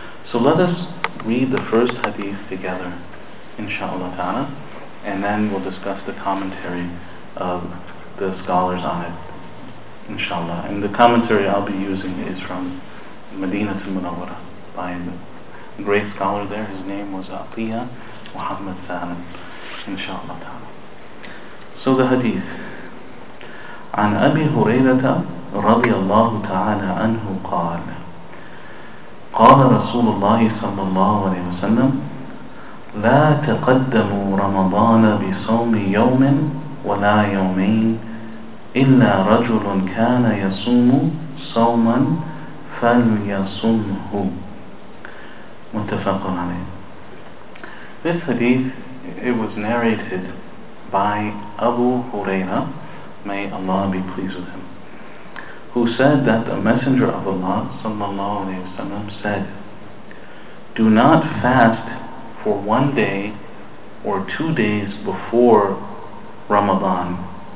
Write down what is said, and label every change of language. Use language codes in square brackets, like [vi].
[en] So let us read the first hadith together, inshallah ta'ala, and then we'll discuss the commentary of the scholars on it, inshallah. And the commentary I'll be using is from Madinatul Munawwara by the great scholar there. His name was Atiyah Muhammad Salim, inshallah ta'ala. So the hadith. [ar] عن أبي هريرة رضي الله تعالى عنه قال قال رسول الله صلى الله عليه وسلم لا تقدموا رمضان بصوم يوم ولا يومين إلا رجل كان يصوم صوما فليصمه. متفق عليه. [en] This hadith, it was narrated by Abu Huraira, may Allah be pleased with him, who said that the Messenger of Allah sallallahu alayhi wasallam said, do not fast for one day or 2 days before Ramadan.